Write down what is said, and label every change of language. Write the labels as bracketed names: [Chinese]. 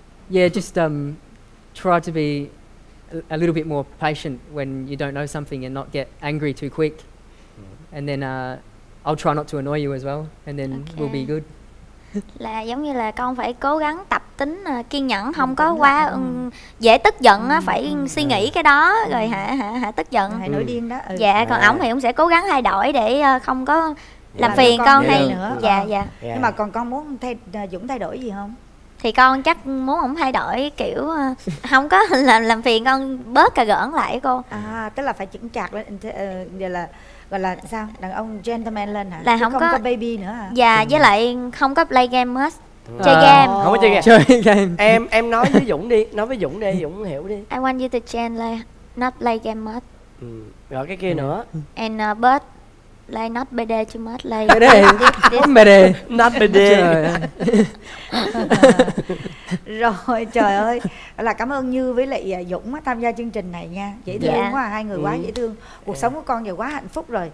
[English] Yeah, just try to be a little bit more patient when you don't know something and not get angry too quick. And then I'll try not to annoy you as well, and then we'll be good. [Vietnamese] Là giống như là con phải cố gắng tập tính kiên nhẫn, không có quá dễ tức giận á, phải suy nghĩ cái đó rồi hả tức giận, hay nổi điên đó. Dạ, còn ổng thì cũng sẽ cố gắng thay đổi để không có làm phiền con hay nữa. Dạ dạ. Nhưng mà còn con muốn Dũng thay đổi gì không? Thì con chắc muốn ổng thay đổi kiểu không có làm phiền con, bớt cà gỡn lại cô. À, tức là phải chững chạc lên, gọi là sao? Đàn ông gentleman lên hả? Là không có baby nữa hả? Dạ, với lại không có play game hết. Chơi game. Không có chơi game. Chơi game. Em nói với Dũng đi, Dũng hiểu đi. [English] I want you to change lên, not play game hết. [Vietnamese] Rồi cái kia nữa. And but lay not bê đê chứ mất lay. Bê đê. Không bê đê. [English] Not bê đê. [Vietnamese] Rồi trời ơi. Là cảm ơn Như với lại Dũng tham gia chương trình này nha. Dễ thương quá, hai người quá dễ thương. Cuộc sống của con giờ quá hạnh phúc rồi.